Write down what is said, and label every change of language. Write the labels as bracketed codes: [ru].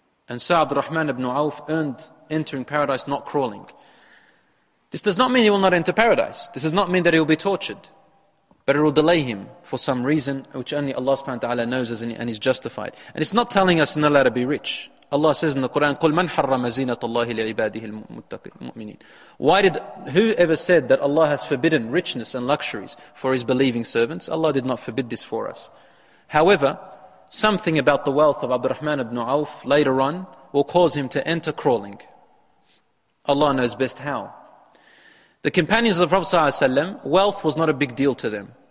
[en] And so Abdurrahman ibn Auf earned entering paradise not crawling. This does not mean he will not enter paradise. This does not mean that he will be tortured. But it will delay him for some reason which only Allah subhanahu wa ta'ala knows and is justified. And it's not telling us not to be rich. Allah says in the Quran, [ar] قُلْ مَنْ حَرَّمَ زِينَةَ اللَّهِ لِعِبَادِهِ الْمُؤْمِنِينَ. [en] Why did, whoever said that Allah has forbidden richness and luxuries for his believing servants? Allah did not forbid this for us. However, something about the wealth of Abdurrahman ibn Auf later on will cause him to enter crawling. Allah knows best how. The companions of the Prophet ﷺ, wealth was not a big deal to them.